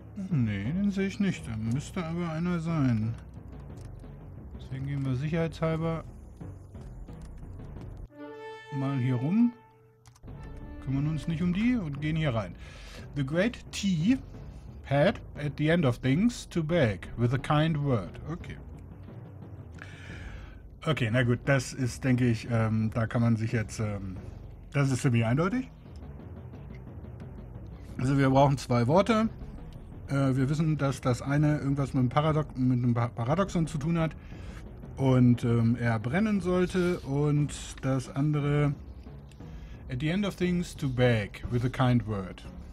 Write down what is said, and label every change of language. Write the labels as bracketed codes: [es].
[de] Nee, den sehe ich nicht. Da müsste aber einer sein. Deswegen gehen wir sicherheitshalber mal hier rum. Kümmern uns nicht um die und gehen hier rein. [en] The great tea had at the end of things to beg with a kind word. Okay. [de] Okay, na gut, das ist, denke ich, da kann man sich jetzt, das ist für mich eindeutig. Also wir brauchen zwei Worte. Wir wissen, dass das eine irgendwas mit einem Paradoxon zu tun hat und er brennen sollte und das andere [en] at the end of things to beg with a kind word.